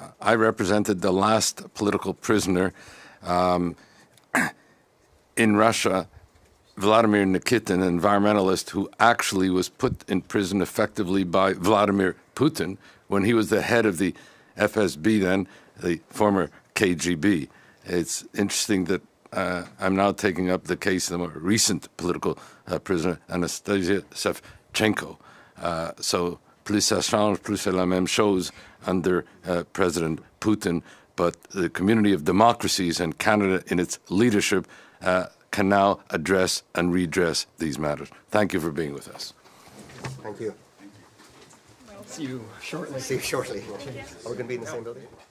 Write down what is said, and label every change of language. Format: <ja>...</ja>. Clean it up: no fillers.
<en>I represented the last political prisoner in Russia, Vladimir Nikitin, an environmentalist who actually was put in prison effectively by Vladimir Putin when he was the head of the FSB then, the former KGB. It's interesting that I'm now taking up the case of a recent political prisoner, Anastasia Savchenko.</en> <fr>So plus ça change, plus c'est la même chose</fr> <en>under President Putin. But the community of democracies and Canada in its leadership can now address and redress these matters. Thank you for being with us. Thank you. Thank you. See you shortly. See you shortly. Are we going to be in the same building?</en>